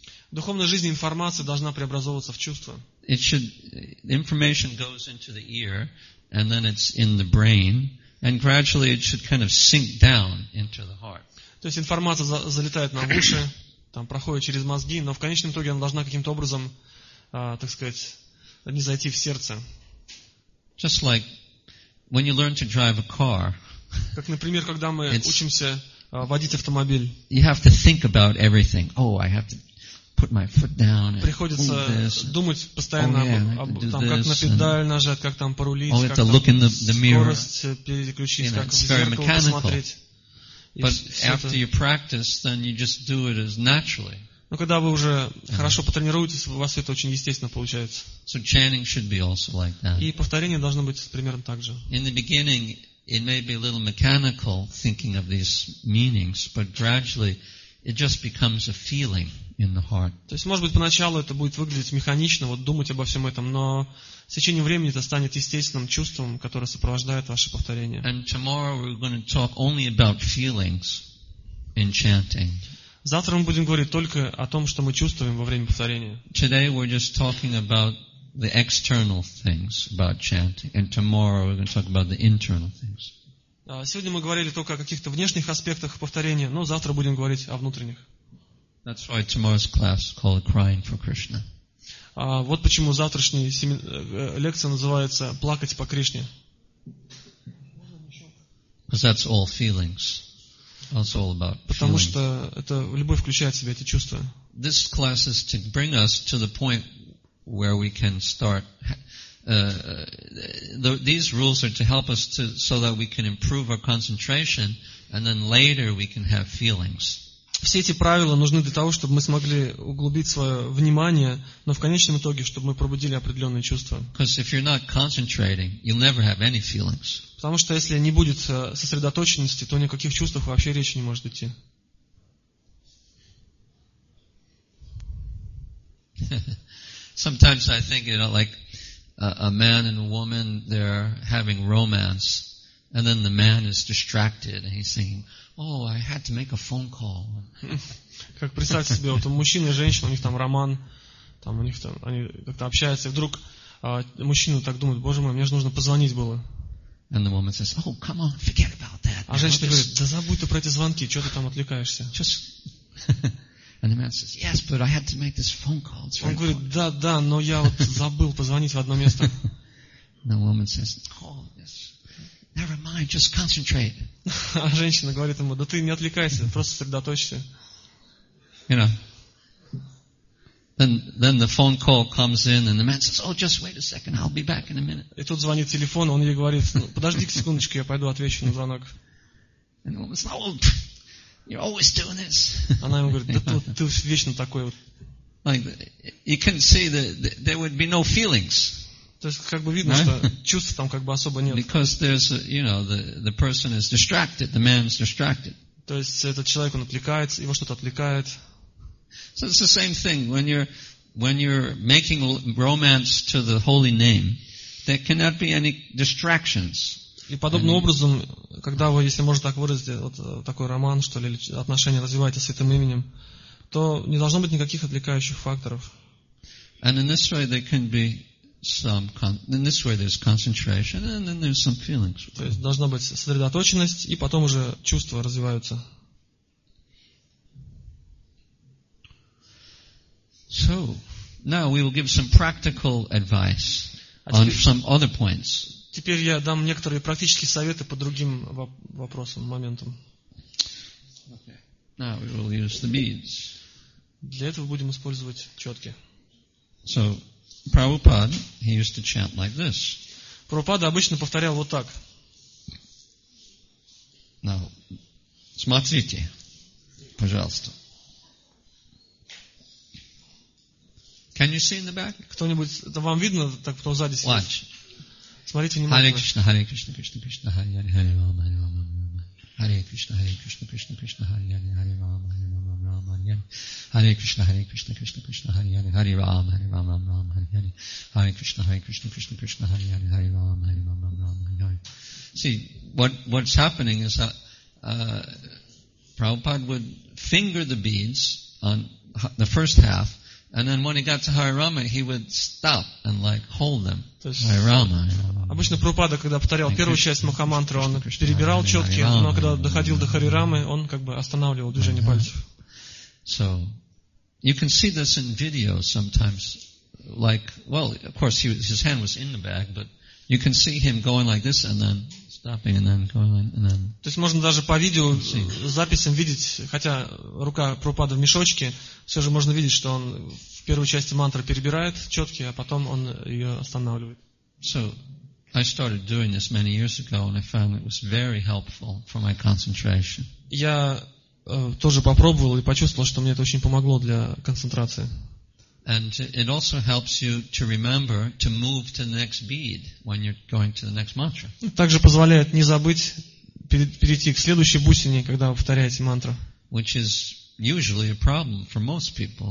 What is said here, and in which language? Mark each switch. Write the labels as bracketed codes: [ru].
[ru] В духовной жизни информация должна преобразовываться в чувства. [en] It should information goes into the ear and then it's in the brain and gradually it should kind of sink down into the heart. [ru] То есть информация залетает нам в уши, там проходит через мозги, но в конечном итоге она должна каким-то образом, так сказать, не зайти в сердце. [en] Just like when you learn to drive a car. [ru] Как, например, когда мы учимся водить автомобиль. [en] You have to think about everything. Oh, I have to put my foot down. [ru] Приходится думать постоянно там, как на педаль нажать, как там порулить, как там скорость переключить, как в зеркало посмотреть. [en] But after you practice, then you just do it as naturally. [ru] Но когда вы уже хорошо потренируетесь, у вас это очень естественно получается. [en] So chanting should be also like that. [ru] И повторение должно быть примерно так же. [en] In the beginning, it may be a little mechanical thinking of these meanings, but gradually it just becomes a feeling in the heart. [ru] То есть, может быть, поначалу это будет выглядеть механично, вот думать обо всем этом, но с течением времени это станет естественным чувством, которое сопровождает ваше повторение. [en] And tomorrow we're going to talk only about feelings in chanting. [ru] Завтра мы будем говорить только о том, что мы чувствуем во время повторения. [en] Today we're just talking about the external things about chanting, and tomorrow we're going to talk about the internal things. [ru] Сегодня мы говорили только о каких-то внешних аспектах повторения, но завтра будем говорить о внутренних. [en] That's why tomorrow's class is called "Crying for Krishna". [ru] Вот почему завтрашняя лекция называется "Плакать по Кришне". [en] Because that's all feelings. That's all about feelings. [ru] Потому что это любовь включает в себя эти чувства. [en] This class is to bring us to the point where we can start. These rules are to help us to so that we can improve our concentration, and then later we can have feelings. [ru] Все эти правила нужны для того, чтобы мы смогли углубить свое внимание, но в конечном итоге, чтобы мы пробудили определенные чувства. [en] Because if you're not concentrating, you'll never have any feelings. [ru] Потому что если не будет сосредоточенности, то ни о каких чувствах вообще речи не может идти. [en] Sometimes I think, you know, like a man and a woman, they're having romance, and then the man is distracted, and he's thinking, oh, I had to make a phone call. [ru] Как представьте себе, вот мужчина и женщина, у них там роман, там у них там они как-то общаются, и вдруг мужчина так думает, боже мой, мне же нужно позвонить было. [en] And the woman says, oh, come on, forget about that. [ru] А женщина говорит, да забудь ты про эти звонки, что ты там отвлекаешься? [en] Just... And the man says, yes, but I had to make this phone call. [ru] Он говорит, да, но я вот забыл позвонить в одно место. [en] And the woman says, oh, yes. Never mind, just concentrate. [ru] А женщина говорит ему, да ты не отвлекайся, просто сосредоточься. [en] You know. Then the phone call comes in, and the man says, oh, just wait a second, I'll be back in a minute. [ru] И тут звонит телефон, он ей говорит, подожди секундочку, я пойду отвечу на звонок. [en] And the woman says, oh, you're always doing this. [ru] Она ему говорит, да ты вечно такой вот. [en] Like, you can see that there would be no feelings. [ru] То есть как бы видно, [en] right? [ru] Что чувств там как бы особо нет. [en] Because there's, you know, the person is distracted, the man is distracted. [ru] То есть этот человек, он отвлекается, его что-то отвлекает. [en] So it's the same thing when you're making romance to the holy name, there cannot be any distractions. [ru] И подобным образом, когда вы, если можно так выразить, вот такой роман, что ли, отношения развиваете с святым именем, то не должно быть никаких отвлекающих факторов. [en] And in this way there can be some in this way there's concentration and then there's some feelings. [ru] То есть должна быть сосредоточенность, и потом уже чувства развиваются. [en] So now we will give some practical advice on some other points. [ru] Теперь я дам некоторые практические советы по другим вопросам, моментам. [en] Okay. Now we will use the beads. [ru] Для этого будем использовать четки. [en] So Prabhupada, he used to chant like this. [ru] Прабхупада обычно повторял вот так. [en] Now, [ru] смотрите, пожалуйста. [en] Can you see in the back? [ru] Кто-нибудь, это вам видно, так кто сзади сидит? [en] Watch. [ru] Смотрите внимательно. [sa] Hare Krishna, Hare Krishna, Krishna Krishna, Hare Hare, Hare Rama, Hare Rama, Rama Rama. Hare Krishna, Hare Krishna, Krishna Krishna, Hare Hare, Hare Rama, Hare Rama, Rama Rama. Hare Krishna, Hare Krishna, Krishna Krishna, Hare Hare, Hare Rama, Hare Rama, Rama Rama. Hare Hare. Hare Krishna, Hare Krishna, Krishna Krishna, Hare Hare, Hare Rama, Hare Rama, Rama Rama. [en] See, what's happening is that Prabhupada would finger the beads on the first half. And then when he got to Hare Rama, he would stop and like hold them. [sa] Hare Rama. [ru] Обычно Прабхупада, когда повторял первую часть Махамантры, он перебирал четки, но когда доходил до Хари Рамы, он как бы останавливал движение пальцев. [en] So, you can see this in video sometimes. Like, well, of course, his hand was in the bag, but you can see him going like this and then stopping and then going and then. [ru] То есть можно даже по видео записям видеть, хотя рука Прабхупады в мешочке, все же можно видеть, что он в первой части мантры перебирает четки, а потом он ее останавливает. [en] So I started doing this many years ago, and I found it was very helpful for my concentration. [ru] Я тоже попробовал и почувствовал, что мне это очень помогло для концентрации. [en] And it also helps you to remember to move to the next bead when you're going to the next mantra. [ru] Также позволяет не забыть перейти к следующей бусине, когда вы повторяете мантру. [en] Which is usually a problem for most people.